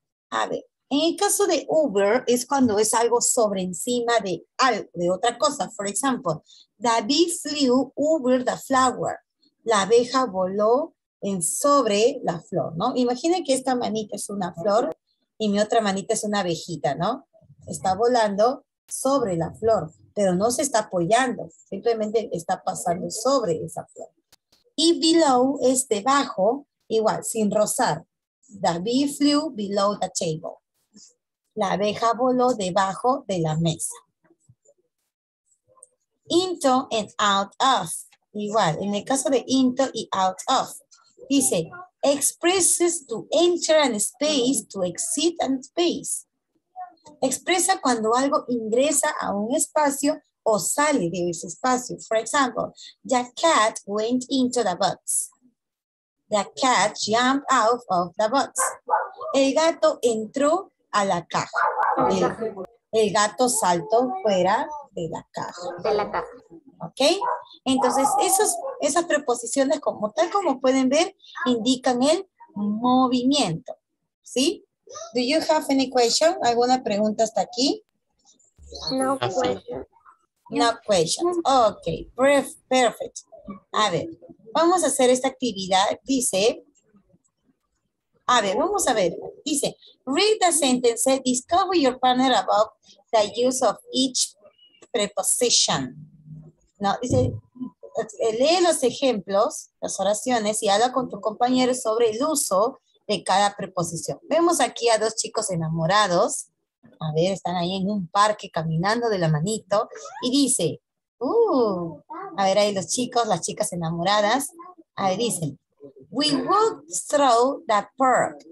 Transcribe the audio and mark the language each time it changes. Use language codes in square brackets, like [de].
[es] A ver, en el caso de over es cuando es algo sobre encima de algo, de otra cosa. [en] For example, the bee flew over the flower. [es] La abeja voló en sobre la flor, ¿no? Imaginen que esta manita es una flor y mi otra manita es una abejita, ¿no? Está volando sobre la flor, pero no se está apoyando, simplemente está pasando sobre esa flor. Y below es debajo, igual, sin rozar. [en] The bee flew below the table. [es] La abeja voló debajo de la mesa. Into and out of, igual, en el caso de into y out of. [en] Dice, expresses to enter a space, to exit a space. [es] Expresa cuando algo ingresa a un espacio o sale de ese espacio. [en] For example, the cat went into the box. The cat jumped out of the box. [es] El gato entró a la caja. El gato saltó fuera de la caja. De la caja. ¿Ok? Entonces, esas preposiciones, como tal como pueden ver, indican el movimiento. ¿Sí? [en] Do you have any question? [es] ¿Alguna pregunta hasta aquí? [en] No question. No question. Ok, perfect. [es] A ver, vamos a hacer esta actividad. Dice, a ver, vamos a ver. [en] Dice, read the sentence, discover your partner about the use of each preposition. [es] No, dice, lee los ejemplos, las oraciones y habla con tu compañero sobre el uso de cada preposición. Vemos aquí a dos chicos enamorados. A ver, están ahí en un parque caminando de la manito. Y dice, a ver ahí los chicos, las chicas enamoradas. A ver, dicen, [en] we walk through the park.